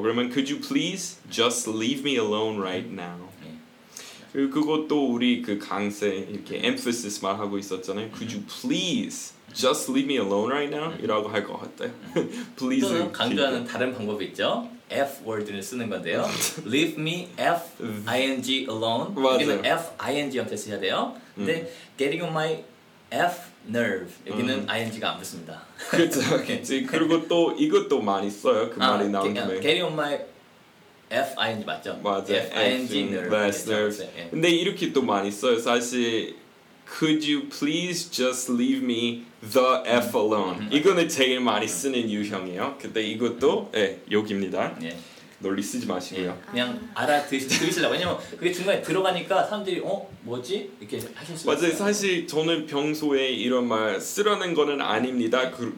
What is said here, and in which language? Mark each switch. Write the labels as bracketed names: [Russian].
[Korean] 그러면 [English] Could you please just leave me alone right now? [Korean] 그것도 우리 그 강세 이렇게 emphasis 말하고 있었잖아요. [English] Could you please just leave me alone right now? [Korean] 이라고 할 것 같아요. [English] Please. [Korean] 또는 강조하는 다른 방법이 있죠. F word를 쓰는 건데요. [English] Leave me F I N G alone. [Korean] 여기는 F I N G 형태 쓰셔야 돼요. 근데 [English] getting on my F nerve [Korean] 여기는 ing가 안 붙습니다. 그렇죠. 그렇지. 그리고 또 이것도 많이 써요. 그 말이 나온 김에. [English] Getting on my F-I-N-G [Korean] 맞죠? 맞아요. [English] F-I-N-G nerves. Nerves. [Korean] 근데 이렇게 또 많이 써요. 사실 [English] Could you please just leave me the F alone? [Korean] 이거는 제일 많이 쓰는 유형이에요. 근데 이것도 예, 여기입니다. 예. 논리 쓰지 마시고요. 예. 그냥 알아들으시려고. 왜냐면 그게 중간에 들어가니까 사람들이 어? 뭐지? 이렇게 하실 수 맞아요. 있어요. 사실 저는 평소에 이런 말 쓰라는 거는 아닙니다. 예.